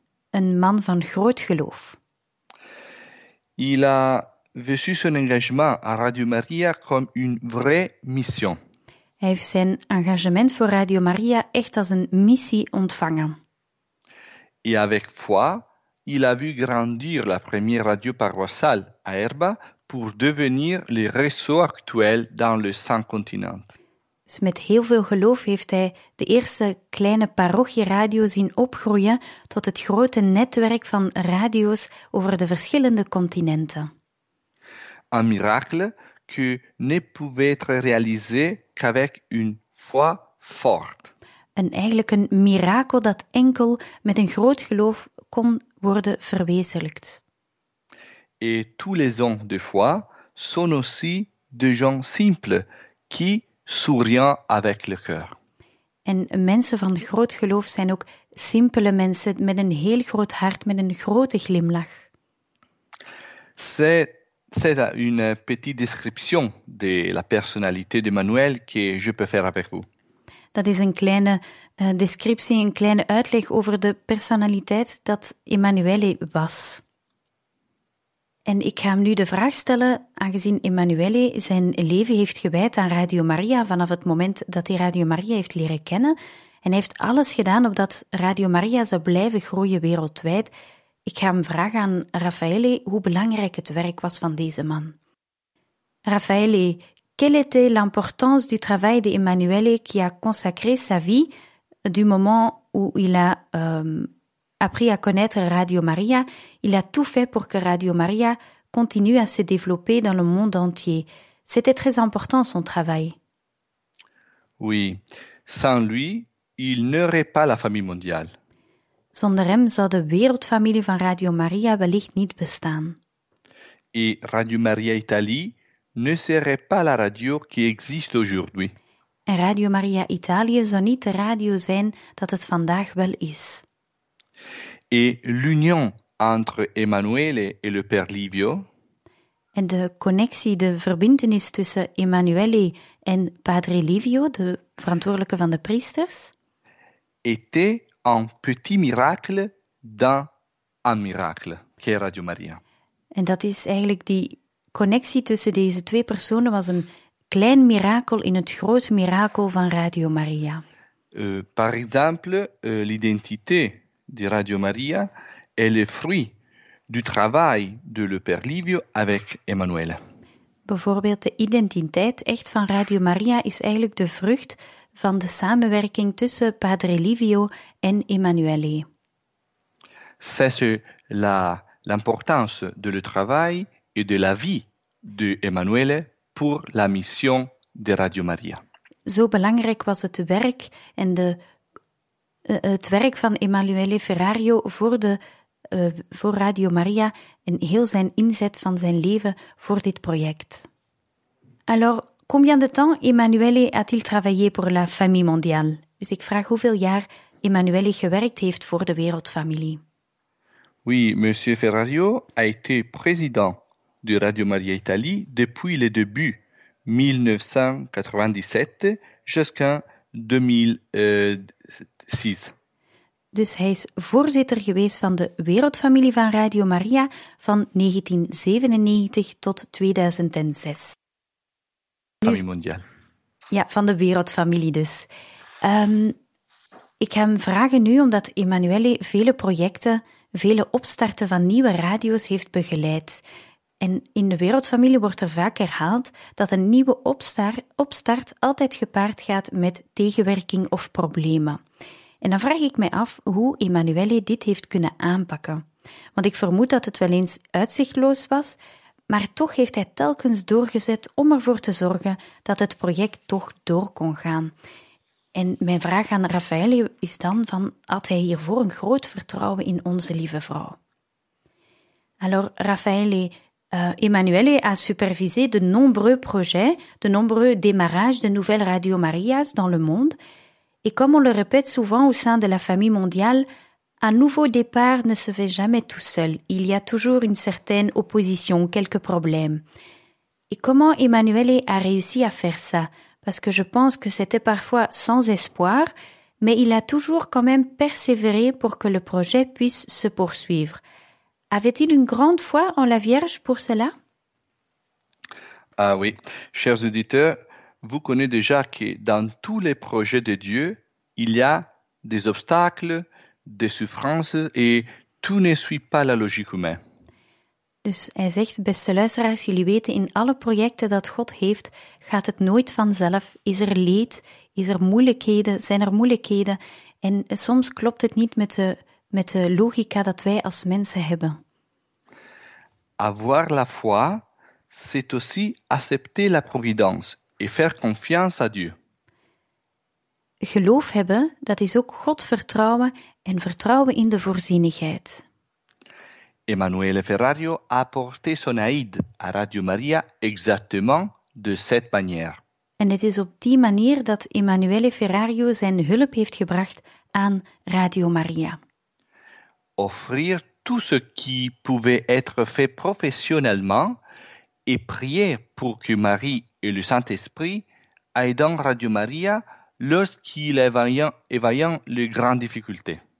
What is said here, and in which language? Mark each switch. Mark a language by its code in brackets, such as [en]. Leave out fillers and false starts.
[nl] Een man van groot geloof. [fr] Il a vécu son engagement à Radio Maria comme une vraie mission. [nl] Hij heeft zijn engagement voor Radio Maria echt als een missie ontvangen. [fr] Et avec foi, il a vu grandir la première radio paroissiale à Erba pour devenir le réseau actuel dans le saint continent. [nl] Dus met heel veel geloof heeft hij de eerste kleine parochieradio zien opgroeien tot het grote netwerk van radio's over de verschillende continenten. [fr] Un miracle que ne pouvait être réalisé qu'avec une foi forte. [nl] Eigenlijk een mirakel dat enkel met een groot geloof kon worden verwezenlijkt. [fr] Et tous les hommes de foi sont aussi de gens simples qui souriant avec le cœur. [nl] En mensen van groot geloof zijn ook simpele mensen met een heel groot hart, met een grote glimlach. [fr] C'est une petite description de la personnalité d'Emmanuel que je peux faire avec vous. [nl] Dat is een kleine descriptie, een kleine uitleg over de personaliteit dat Emmanuel was. En ik ga hem nu de vraag stellen, aangezien Emanuele zijn leven heeft gewijd aan Radio Maria vanaf het moment dat hij Radio Maria heeft leren kennen en hij heeft alles gedaan opdat Radio Maria zou blijven groeien wereldwijd. Ik ga hem vragen aan Raffaele hoe belangrijk het werk was van deze man. [fr] Raffaele, quelle était l'importance du travail d'Emanuele qui a consacré sa vie du moment où il a appris à connaître Radio Maria, il a tout fait pour que Radio Maria continue à se développer dans le monde entier. C'était très important son travail. Oui, sans lui, il n'aurait pas la famille mondiale. [nl] Zonder hem zou de wereldfamilie van Radio Maria wellicht niet bestaan. [fr] Et Radio Maria Italie ne serait pas la radio qui existe aujourd'hui. [nl] En Radio Maria Italië zou niet de radio zijn dat het vandaag wel is. [fr] Et l'union entre Emanuele et le père Livio. [nl] En de connectie, de verbintenis tussen Emanuele en Padre Livio, de verantwoordelijke van de priesters, [fr] était un petit miracle dans un miracle, qu'est Radio Maria. [nl] En dat is eigenlijk die connectie tussen deze twee personen was een klein mirakel in het groot mirakel van Radio Maria. [fr] Par exemple, l'identité de Radio Maria est le fruit du travail de le père Livio avec Emanuele. [nl] Bijvoorbeeld de identiteit echt van Radio Maria is eigenlijk de vrucht van de samenwerking tussen Padre Livio en Emanuele. [fr] C'est l'importance de le travail et de la vie de Emanuele pour la mission de Radio Maria. [nl] Zo belangrijk was het werk en het werk van Emanuele Ferrario voor Radio Maria en heel zijn inzet van zijn leven voor dit project. [fr] Alors, Combien de temps Emanuele a-t-il travaillé pour la Famille Mondiale? [nl] Dus ik vraag hoeveel jaar Emanuele gewerkt heeft voor de Wereldfamilie. [fr] Oui, monsieur Ferrario a été président de Radio Maria Italie depuis le début 1997 jusqu'en 2006. [nl] Dus hij is voorzitter geweest van de Wereldfamilie van Radio Maria van 1997 tot 2006. [fr] Famille Mondiale. [nl] Ja, van de Wereldfamilie dus. Ik ga hem vragen nu, omdat Emanuele vele projecten, vele opstarten van nieuwe radio's heeft begeleid. En in de Wereldfamilie wordt er vaak herhaald dat een nieuwe opstart altijd gepaard gaat met tegenwerking of problemen. En dan vraag ik mij af hoe Emanuele dit heeft kunnen aanpakken. Want ik vermoed dat het wel eens uitzichtloos was, maar toch heeft hij telkens doorgezet om ervoor te zorgen dat het project toch door kon gaan. En mijn vraag aan Raffaele is dan, van, had hij hiervoor een groot vertrouwen in onze lieve vrouw? [fr] Alors, Raffaele, Emanuele a supervisé de nombreux projets, de nombreux démarrages de nouvelles Radio Marias dans le monde. Et comme on le répète souvent au sein de la famille mondiale, un nouveau départ ne se fait jamais tout seul. Il y a toujours une certaine opposition, quelques problèmes. Et comment Emanuele a réussi à faire ça? Parce que je pense que c'était parfois sans espoir, mais il a toujours quand même persévéré pour que le projet puisse se poursuivre. Avait-il une grande foi en la Vierge pour cela? Ah oui, chers auditeurs, vous connaissez déjà que dans tous les projets de Dieu, il y a des obstacles, des souffrances et tout ne suit pas la logique humaine. [nl] Dus hij zegt, beste luisteraars, jullie weten, in alle projecten dat God heeft, gaat het nooit vanzelf. Is er leed? Is er moeilijkheden? Zijn er moeilijkheden? En soms klopt het niet met de logica dat wij als mensen hebben. [fr] Avoir la foi, c'est aussi accepter la providence et faire confiance à Dieu. [nl] Geloof hebben, dat is ook God vertrouwen en vertrouwen in de voorzienigheid. [fr] Emanuele Ferrario a porté son aide à Radio Maria exactement de cette manière. [nl] En het is op die manier dat Emanuele Ferrario zijn hulp heeft gebracht aan Radio Maria. [fr] Offrir tout ce qui pouvait être fait professionnellement et prier pour que Marie et le Saint-Esprit aident dans Radio Maria lorsqu'il est vaillant les grandes difficultés.